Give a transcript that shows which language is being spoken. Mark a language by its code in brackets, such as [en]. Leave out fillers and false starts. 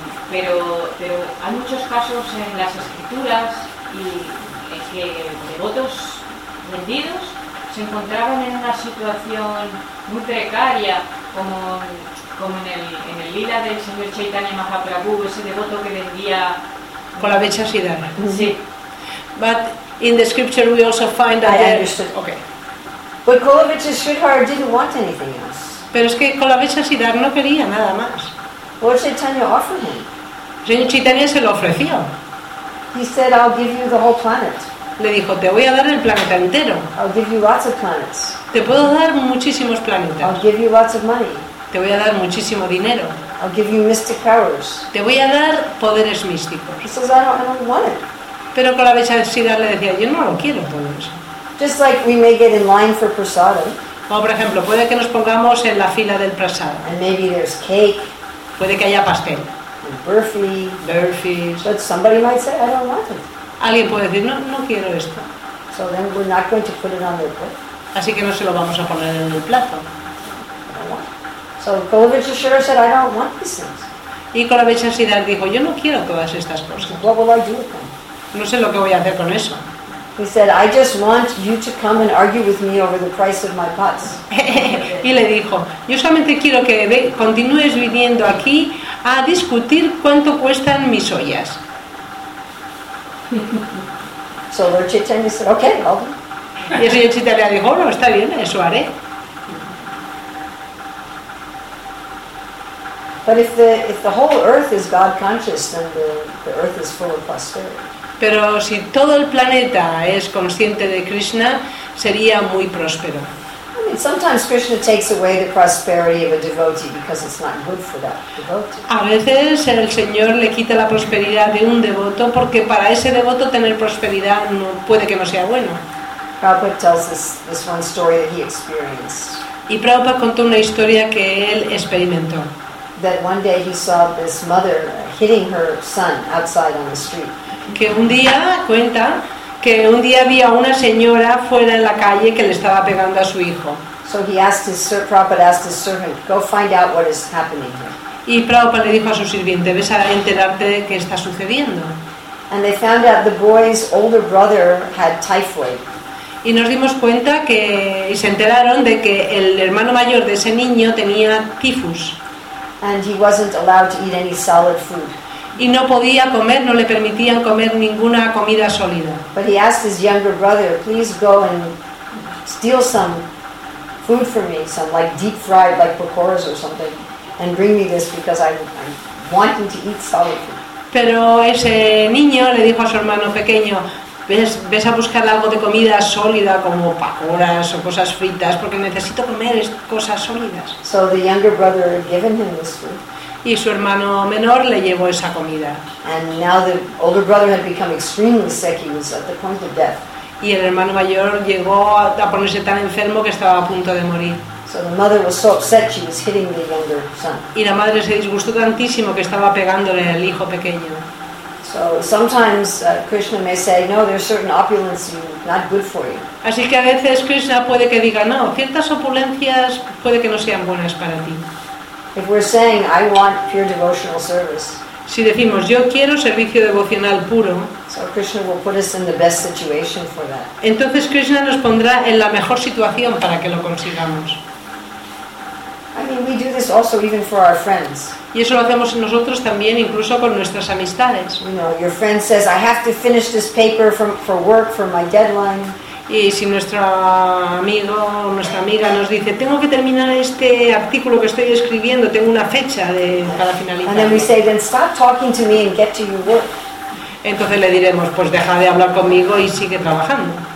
[es] Pero hay muchos casos en las escrituras y que devotos rendidos se encontraban en una situación muy precaria, como en el lila del señor Chaitanya Mahaprabhu, ese devoto que vendía con la becha Siddhartha. Sí. [en] But in the scripture we also find that But Kolavecha Sridhar didn't want anything else. [es] Pero es que Kolavecha Siddhartha no quería nada más. [en] Lord Chaitanya offered him. [es] Señor Chaitanya se lo ofreció. [en] He said, "I'll give you the whole planet." [es] Le dijo, "Te voy a dar el planeta entero." [en] "I'll give you lots of planets." [es] Te puedo dar muchísimos planetas. [en] "I'll give you lots of money." [es] Te voy a dar muchísimo dinero. [en] "I'll give you mystic powers." [es] Te voy a dar poderes místicos. [en] He says, "I don't want it." [es] Pero con la vechasidad le decía, "Yo no lo quiero todo eso." [en] Just like we may get in line for prasadam. [es] Como por ejemplo, puede que nos pongamos en la fila del prasadam. [en] And maybe there's cake. [es] Puede que haya pastel. [en] Burfi. But somebody might say, "I don't want it." [es] Alguien puede decir, no quiero esto. [en] So then we're not going to put it on their plate. [es] Así que no se lo vamos a poner en el plato. [en] So Kolavecha Sridhar said, "I don't want these things." [es] Y Kolavecha Sridhar dijo, "Yo no quiero todas estas cosas." [en] What will I do with them? [es] No sé lo que voy a hacer con eso. [en] He said, "I just want you to come and argue with me over the price of my pots." [es] Y le dijo, "Yo solamente quiero que continúes viniendo aquí a discutir cuánto cuestan mis ollas." [en] So Lord Chaitanya said, "Okay, I'll do." [es] Y el señor Chaitanya dijo, "No, está bien, eso haré." [en] But if the whole earth is God conscious, then the earth is full of prosperity. [es] Pero si todo el planeta es consciente de Krishna, sería muy próspero. [en] I mean, sometimes Krishna takes away the prosperity of a devotee because it's not good for that devotee. [es] A veces el Señor le quita la prosperidad de un devoto porque para ese devoto tener prosperidad no, puede que no sea bueno. [en] Prabhupada tells this one story that he experienced. [es] Y Prabhupada contó una historia que él experimentó. [en] That one day he saw this mother hitting her son outside on the street. [es] Que un día, cuenta, que un día había una señora fuera en la calle que le estaba pegando a su hijo. [en] So he asked his servant, Prabhupada asked his servant, "Go find out what is happening here." [es] Y Prabhupada le dijo a su sirviente, "Ves a enterarte de qué está sucediendo." [en] And they found out the boy's older brother had typhoid. [es] Y nos dimos cuenta que, y se enteraron de que el hermano mayor de ese niño tenía tifus. [en] And he wasn't allowed to eat any solid food. [es] Y no podía comer, no le permitían comer ninguna comida sólida. [en] But he asked his younger brother, "Please go and steal some food for me, some like deep fried like pakoras or something, and bring me this because I'm wanting to eat solid food." [es] Pero ese niño le dijo a su hermano pequeño, "Ves a buscar algo de comida sólida como pakoras o cosas fritas porque necesito comer cosas sólidas." [en] So the younger brother had given him this food. [es] y su hermano menor le llevó esa comida. [en] And now the older brother had become extremely sick. He was at the point of death. [es] Y el hermano mayor llegó a ponerse tan enfermo que estaba a punto de morir. [en] So the mother was so upset she was hitting the younger son. [es] Y la madre se disgustó tantísimo que estaba pegándole al hijo pequeño. [en] So sometimes Krishna may say, no, there's certain opulence not good for you. [es] Así que a veces Krishna puede que diga, no, ciertas opulencias puede que no sean buenas para ti. [en] If we're saying, I want pure devotional service. [es] Si decimos, yo quiero servicio devocional puro, [en] so Krishna will put us in the best situation for that. [es] Entonces Krishna nos pondrá en la mejor situación para que lo consigamos. [en] I mean, we do this also even for our friends. [es] Y eso lo hacemos nosotros también, incluso con nuestras amistades. [en] You know, your friend says, I have to finish this paper for work, for my deadline. [es] Y si nuestro amigo o nuestra amiga nos dice, tengo que terminar este artículo que estoy escribiendo, tengo una fecha para finalizar. [en] And then we say, then stop talking to me and get to your work. [es] Entonces le diremos, pues deja de hablar conmigo y sigue trabajando.